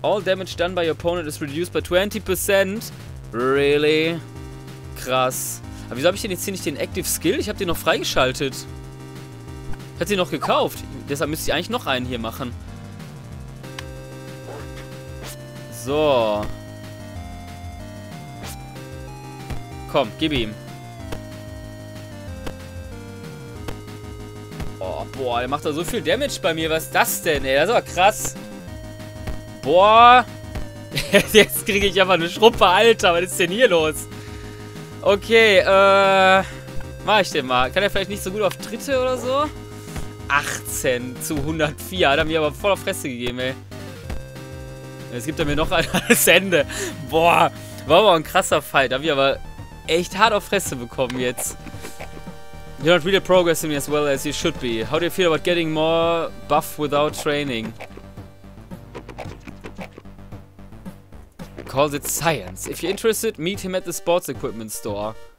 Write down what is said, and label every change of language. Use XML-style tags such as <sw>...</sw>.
<en>All damage done by your opponent is reduced by 20%.</en> <de>Really? Krass. Aber wieso habe ich denn jetzt hier nicht den Active Skill? Ich habe den noch freigeschaltet. Ich hatte den noch gekauft. Deshalb müsste ich eigentlich noch einen hier machen. So. Komm, gib ihm. Oh, boah, der macht da so viel Damage bei mir. Was ist das denn, ey? Das ist aber krass. Boah. Jetzt kriege ich einfach eine Schruppe, Alter. Was ist denn hier los? Okay, mach ich den mal. Kann der vielleicht nicht so gut auf Dritte oder so? 18 zu 104. Hat er mir aber voll auf Fresse gegeben, ey. Jetzt gibt er mir noch ein Ende. Boah, war aber ein krasser Fight. Da hab ich aber echt hart auf Fresse bekommen jetzt.</de> <en>You're not really progressing as well as you should be. How do you feel about getting more buff without training? Calls it science. If you're interested, meet him at the sports equipment store.</en>